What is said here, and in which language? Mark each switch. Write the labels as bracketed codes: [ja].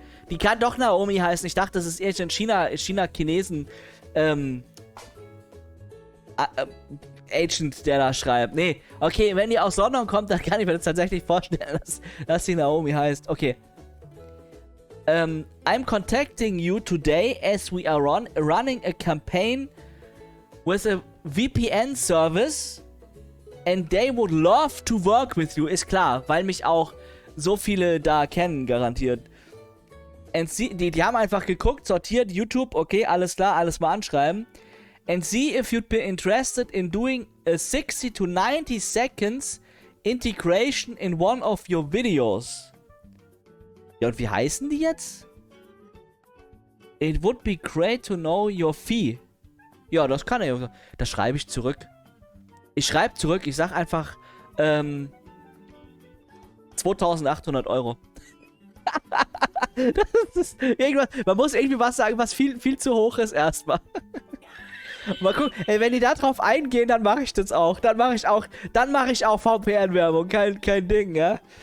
[de] Die kann doch Naomi heißen. Ich dachte, das ist irgendein China-Chinesen Agent, der da schreibt. Nee, okay, wenn die aus London kommt, dann kann ich mir das tatsächlich vorstellen, dass sie Naomi heißt. Okay. [en] I'm contacting you today as we are running a campaign with a VPN service. And they would love to work with you, [de] ist klar, weil mich auch so viele da kennen, garantiert. [en] And see, [de] die haben einfach geguckt, sortiert, YouTube, okay, alles klar, alles mal anschreiben. [en] And see if you'd be interested in doing a 60 to 90 seconds integration in one of your videos. [de] Ja, und wie heißen die jetzt? [en] It would be great to know your fee. [de] Ja, das kann er ja. Das schreibe ich zurück. Ich schreibe zurück, ich sag einfach, 2800 Euro. Das ist irgendwas, man muss irgendwie was sagen, was viel, viel zu hoch ist erstmal. Mal gucken, ey, wenn die da drauf eingehen, dann mache ich das auch. Dann mache ich auch VPN-Werbung, kein Ding, ja.